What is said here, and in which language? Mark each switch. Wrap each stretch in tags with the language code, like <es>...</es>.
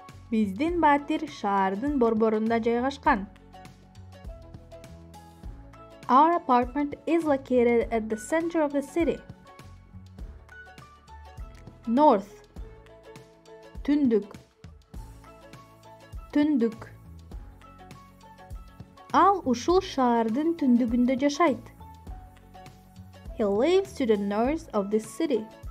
<ky>Биздин батир шаардын борборунда жайгашкан.</ky> <en>Our apartment is located at the center of the city. North.</en> <ky>Түндүк. Түндүк. Ал ушул шаардын түндүгүндө жашайт.</ky> <en>He lives to the north of the city.</en>